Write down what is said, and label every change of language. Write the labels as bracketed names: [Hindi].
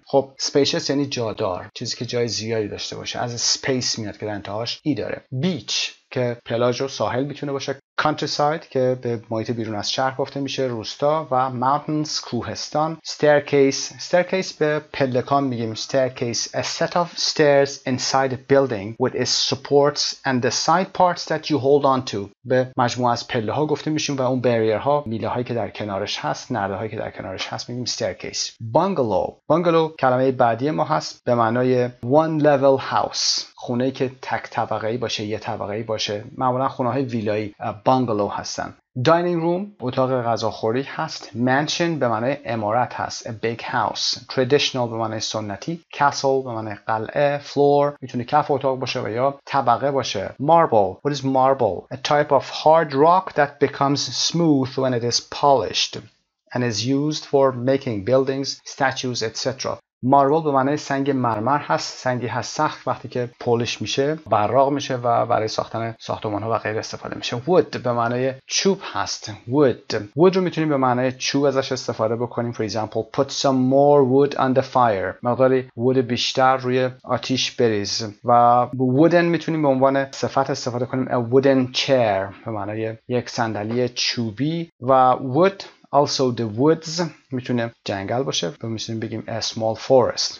[Persian] خب spacious یعنی جادار، چیزی که جای زیادی داشته باشه. از space میاد که در انتهاش ای داره. Beach که پلاژ و ساحل میتونه باشه. Countryside که به محیط بیرون از شهر گفته میشه. روستا و mountains، کوهستان. Staircase به پلکان میگیم. [English] Staircase, a set of stairs inside a building with its supports and the side parts that you hold on to. [Persian] به مجموعه از پله ها گفته میشیم و اون بریر ها، میله هایی که در کنارش هست، نرده هایی که در کنارش هست میگیم staircase. Bungalow کلمه بعدی ما هست به معنای [English] one level house. [Persian] خونه‌ای که تک طبقه‌ای باشه، یه طبقه‌ای باشه، معمولا خونه‌های ویلایی بانگلو هستن. داینینگ روم اتاق غذاخوری هست. منشن به معنی امارت هست، [English] a big house. [Persian] تردیشنال به معنی سنتی، کاسل به معنی قلعه، فلور میتونه کف اتاق باشه و یا طبقه باشه. [English] Marble, what is marble? A type of hard rock that becomes smooth when it is polished and is used for making buildings, statues, etc. [Persian] مارول به معنی سنگ مرمر هست، سنگی هست سخت وقتی که پولش میشه، براق میشه و برای ساختن ساختمان ها و غیر استفاده میشه. وود به معنی چوب هست. وود رو میتونیم به معنی چوب ازش استفاده بکنیم. [English] For example, put some more wood on the fire. [Persian] مقداری وود بیشتر روی آتیش بریز. و وودن میتونیم به عنوان صفت استفاده کنیم. [English] A wooden chair [Persian] به معنی یک صندلی چوبی. و وود [English] also the woods [Persian] میتونه جنگل باشه، و میتونیم بگیم [English] a small forest.